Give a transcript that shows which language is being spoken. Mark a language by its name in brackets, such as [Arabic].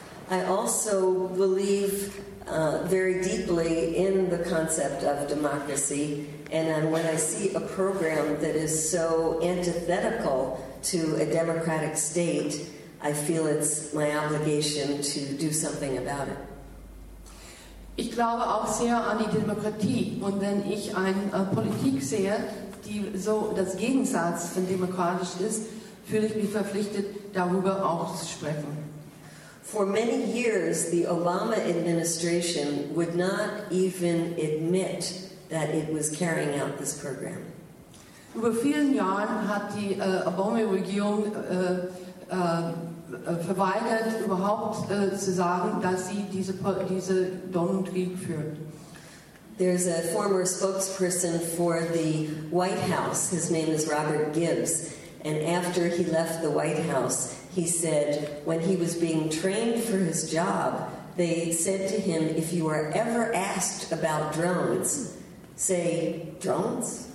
[English] I also believe very deeply in the concept of democracy and when I see a program that is so antithetical to a democratic state, I feel it's my obligation to do something about it. [German] Ich glaube auch sehr an die Demokratie. Und wenn ich eine Politik sehe, die so das Gegensatz von demokratisch ist, fühle ich mich verpflichtet, darüber auch zu sprechen. [English] For many years, the Obama administration would not even admit that it was carrying out this program. [German] Über vielen Jahren hat die Obama-Regierung verweigert, überhaupt zu sagen, dass sie diese Donald-Krieg führt. [English] There's a former spokesperson for the White House. His name is Robert Gibbs. And after he left the White House, he said, when he was being trained for his job, they said to him, if you are ever asked about drones, say, drones?